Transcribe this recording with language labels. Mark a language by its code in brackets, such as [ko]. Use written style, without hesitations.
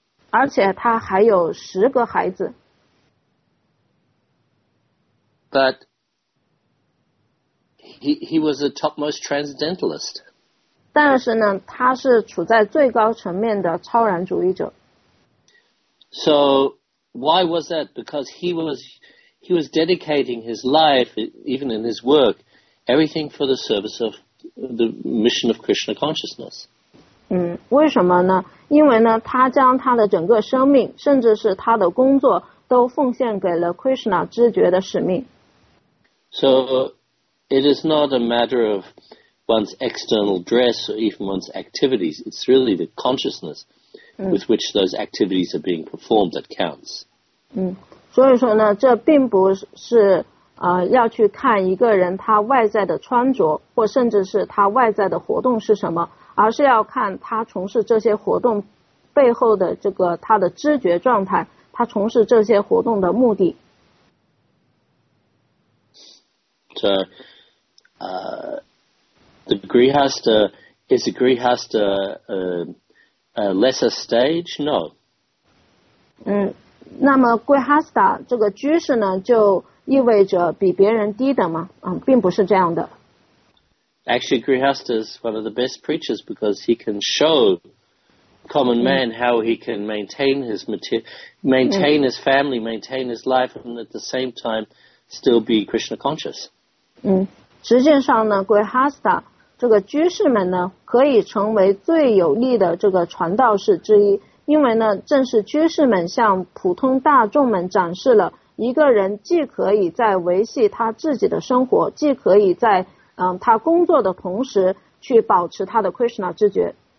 [zh] 而且他还有十个孩子。 [en] But he was a topmost transcendentalist. [zh] 但是呢，他是处在最高层面的超然主义者。 [en] So why was that? Because he was dedicating his life, even in his work, everything for the service of the mission of Krishna consciousness. [zh] 为什么呢？因为呢，他将他的整个生命， 甚至是他的工作， 都奉献给了Krishna知觉的使命。 [en] So it is not a matter of one's external dress or even one's activities. It's really the consciousness with which those activities are being performed that counts. [zh] 所以说呢， 这并不是， 要去看一个人他外在的穿着， 或甚至是他外在的活动是什么， 而是要看他从事这些活动背后的这个他的知觉状态，他从事这些活动的目的。 [en] the Grihastha, is the Grihastha a lesser stage? No. [zh] 嗯，那么 Grihastha 这个居士呢，就意味着比别人低等吗？嗯，并不是这样的。 [en] Actually, Grihastha is one of the best preachers because he can show common man how he can maintain his maintain his family, maintain his life, and at the same time still be Krishna conscious. [zh] 嗯，实际上呢 ，Grihastha 这个居士们呢，可以成为最有力的这个传道士之一，因为呢，正是居士们向普通大众们展示了一个人既可以在维系他自己的生活，既可以在他工作的同时去保持他的 Krishna 知觉。